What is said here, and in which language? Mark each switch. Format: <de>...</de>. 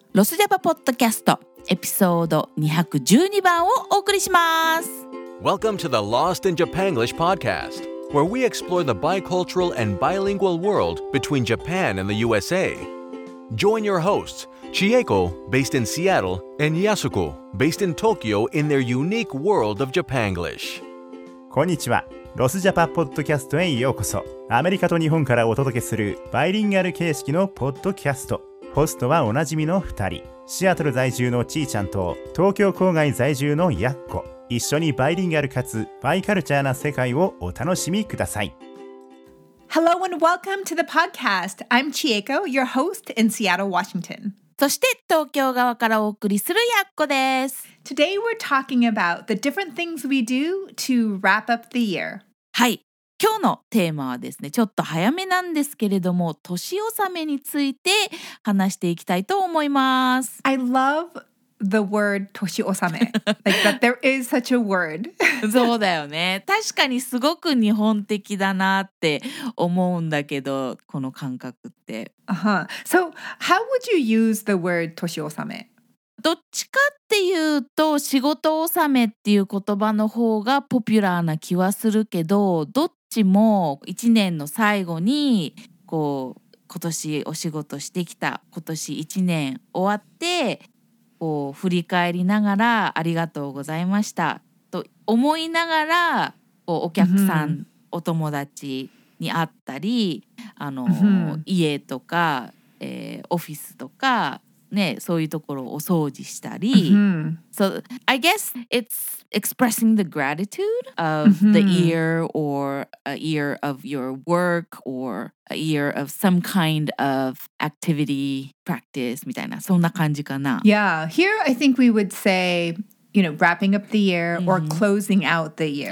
<ja>ロスジャパポッドキャスト、エピソード212番をお送りします。</ja> <en>Welcome to the Lost in Japan English podcast, where we explore the bicultural and bilingual world between Japan and the USA. Join your hosts, Chieko, based in Seattle, and Yasuko, based in Tokyo, in their unique world of Japanglish.</en> <ja>こんにちは。ロスジャパポッドキャストへようこそ。アメリカと日本からお届けするバイリンガル形式のポッドキャスト。ホストはおなじみの2人、シアトル在住のちーちゃんと東京郊外在住のやっこ。一緒にバイリンガルかつバイカルチャーな世界をお楽しみください。</ja> <en>Hello and welcome to the podcast. I'm Chieko, your host in Seattle, Washington.</en> <ja>そして東京側からお送りするやっこです。</ja> <en>Today we're talking about the different things we do to wrap up the year.</en> <ja>はい。今日のテーマはですね、ちょっと早めなんですけれども、年納めについて話していきたいと思います。</ja> <en>I love the word 年納め。Like that there is such a word.</en> <ja>そうだよね。確かにすごく日本的だなって思うんだけど、この感覚って。 Uh-huh.</ja> <en>So how would you use the word 年納め?</en> <ja>どっちかっていうと仕事納めっていう言葉の方がポピュラーな気はするけど、どっちも一年の最後にこう今年お仕事してきた、今年一年終わってこう振り返りながらありがとうございましたと思いながら、こうお客さん、うん、お友達に会ったり、うん、家とか、オフィスとかね、そういうところをお掃除したり、mm-hmm.</ja> <en>So I guess it's expressing the gratitude of mm-hmm. the year or a year of your work or a year of some kind of activity, practice</en> <ja>みたいな、そんな感じかな。</ja> <en>Yeah, here I think we would say, you know, wrapping up the year or closing out the year.</en>